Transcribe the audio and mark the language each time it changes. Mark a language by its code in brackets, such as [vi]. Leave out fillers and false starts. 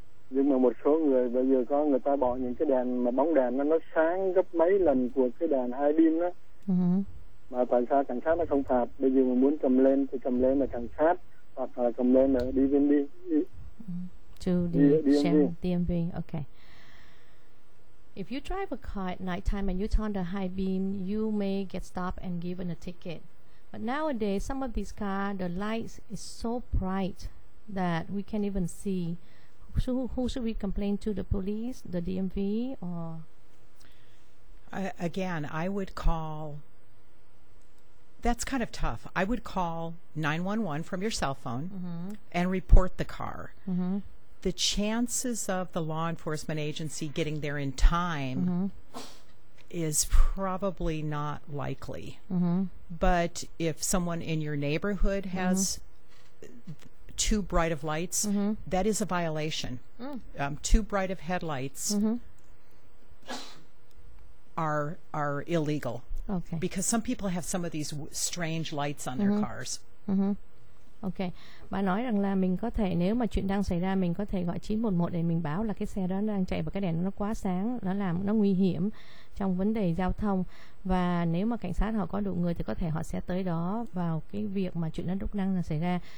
[vi] Nhưng mà một số người bây giờ có người ta bỏ những cái đèn mà bóng đèn nó sáng gấp mấy lần của cái đèn hai đêm đó. Uh-huh. Mà tại sao cảnh sát nó không phạt? Bây giờ mình muốn cầm lên thì cầm lên là cảnh sát, hoặc là cầm lên là DVD. [en] to the DMV. Okay. If you drive a car at nighttime and you turn the high beam, you may get stopped and given a ticket. But nowadays, some of these cars, the lights is so bright that we can't even see. So who should we complain to? The police, the DMV, or? Again, I would call. That's kind of tough. I would call 911 from your cell phone and report the car. The chances of the law enforcement agency getting there in time is probably not likely. But if someone in your neighborhood has too bright of lights, that is a violation. Too bright of headlights are illegal. Okay. Because some people have some of these strange lights on their cars. [vi] Ok, bà nói rằng là mình có thể, nếu mà chuyện đang xảy ra, mình có thể gọi 911 để mình báo là cái xe đó đang chạy và cái đèn nó quá sáng, nó làm nó nguy hiểm trong vấn đề giao thông. Và nếu mà cảnh sát họ có đủ người thì có thể họ sẽ tới đó vào cái việc mà chuyện đó lúc đang xảy ra.